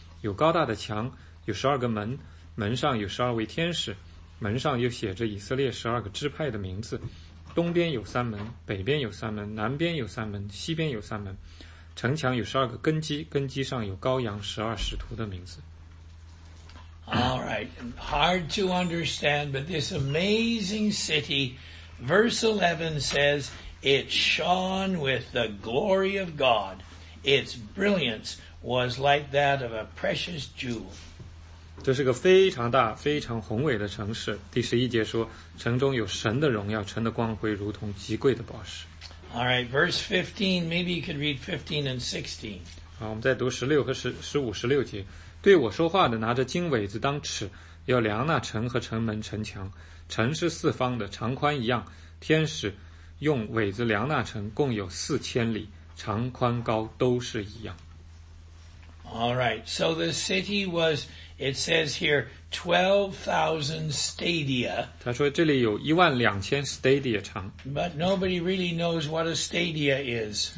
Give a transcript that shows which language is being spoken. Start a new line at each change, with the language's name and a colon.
Chinese: 有高大的墙，有十二个门，门上有十二位天使，门上又写着以色列十二个支派的名字。东边有三门，北边有三门，南边有三门，西边有三门。城墙有十二个根基，根基上有羔羊十二使徒的名字。
English: All right, hard to understand, but this amazing city, verse 11 says, it shone with the glory of God. Its brilliance was like that of a precious jewel.
Chinese: 这是个非常大、非常宏伟的城市。第十一节说，城中有神的荣耀，城的光辉如同极贵的宝石。
English: All right, verse 15, maybe you could read 15 and 16.
Chinese: 好，我们再读16和15、16节。对我说话的拿着金苇子当尺，要量那城和城门、城墙。城是四方的，长宽一样。天使用苇子量那城，共有四千里，长宽高都是一样。
English: All right, so the city was, it says here, 12,000 stadia.
Chinese: 他说这里有一万两千 stadia 长。
English: But nobody really knows what a stadia is.